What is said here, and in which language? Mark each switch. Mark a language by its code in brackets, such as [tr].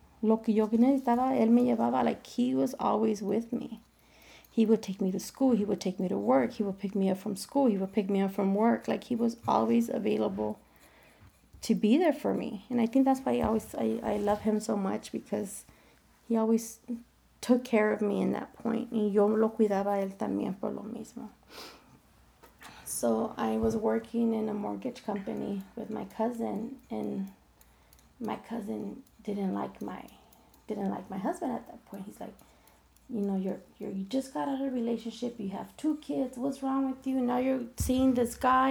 [es] Lo que yo necesitaba, él me llevaba. [en] Like, he was always with me. He would take me to school. He would take me to work. He would pick me up from school. He would pick me up from work. Like, he was always available to be there for me. And I think that's why I love him so much, because he always took care of me in that point. [es] Y yo lo cuidaba él también por lo mismo. [en] So I was working in a mortgage company with my cousin, and my cousin didn't like my husband at that point. He's like, you know, you just got out of a relationship. You have two kids. What's wrong with you? Now you're seeing this guy.